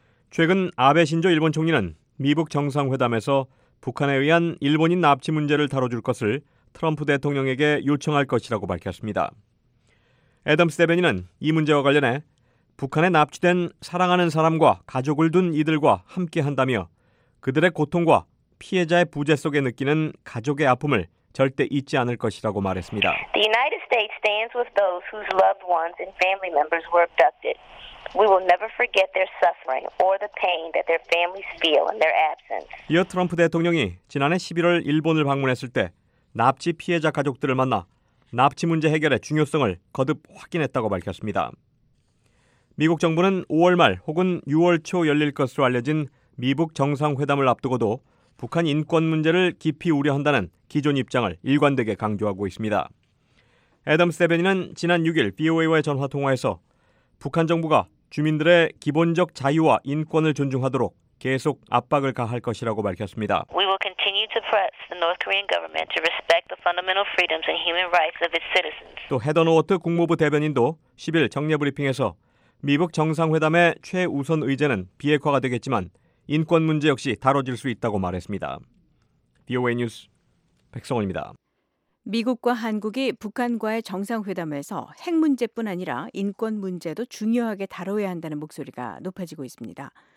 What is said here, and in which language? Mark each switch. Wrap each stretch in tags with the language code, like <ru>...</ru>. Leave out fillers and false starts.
<ko>최근 아베 신조 일본 총리는 미북 정상회담에서 북한에 의한 일본인 납치 문제를 다뤄줄 것을 트럼프 대통령에게 요청할 것이라고 밝혔습니다. 애덤스 대변인은 이 문제와 관련해 북한에 납치된 사랑하는 사람과 가족을 둔 이들과 함께한다며 그들의 고통과 피해자의 부재 속에 느끼는 가족의 아픔을 절대 잊지 않을 것이라고 말했습니다.</ko> <en>The United States stands with those whose loved ones and family members were abducted. We will never forget their suffering or the pain that their families feel in their absence.</en> <ko>이어 트럼프 대통령이 지난해 11월 일본을 방문했을 때 납치 피해자 가족들을 만나 납치 문제 해결의 중요성을 거듭 확인했다고 밝혔습니다. 미국 정부는 5월 말 혹은 6월 초 열릴 것으로 알려진 미북 정상회담을 앞두고도 북한 인권 문제를 깊이 우려한다는 기존 입장을 일관되게 강조하고 있습니다. 애덤 세베니는 지난 6일 VOA와의 전화 통화에서 북한 정부가 주민들의 기본적 자유와 인권을 존중하도록 계속 압박을 가할 것이라고 밝혔습니다.</ko> <en>We will continue to press the North Korean government to respect the fundamental freedoms and human rights of its citizens.</en> <ko>또 헤더 노워트 국무부 대변인도 10일 정례 브리핑에서 미북 정상회담의 최우선 의제는 비핵화가 되겠지만 인권 문제 역시 다뤄질 수 있다고 말했습니다. VOA 뉴스 백성원입니다. 미국과 한국이 북한과의 정상회담에서 핵 문제뿐 아니라 인권 문제도 중요하게 다뤄야 한다는 목소리가 높아지고 있습니다.</ko>